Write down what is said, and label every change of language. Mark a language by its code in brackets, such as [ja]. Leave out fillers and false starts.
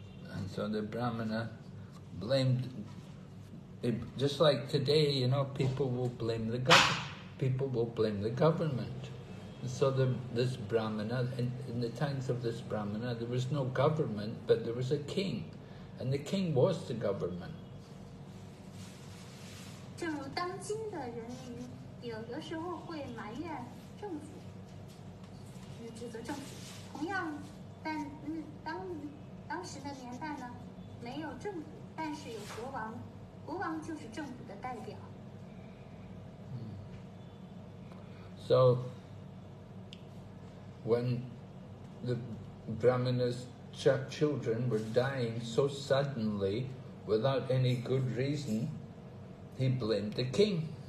[en] And so the Brahmana blamed, just like today, people will blame the government. So this Brahmana, in the times of this Brahmana, there was no government, but there was a king, and the king was the government. [zh] 正如当今的人有时候会埋怨政府，指责政府。同样，但当时的年代呢，没有政府，但是有国王，国王就是政府的代表。So, [en] when the Brahmana's children were dying so suddenly, without any good reason, he blamed the king.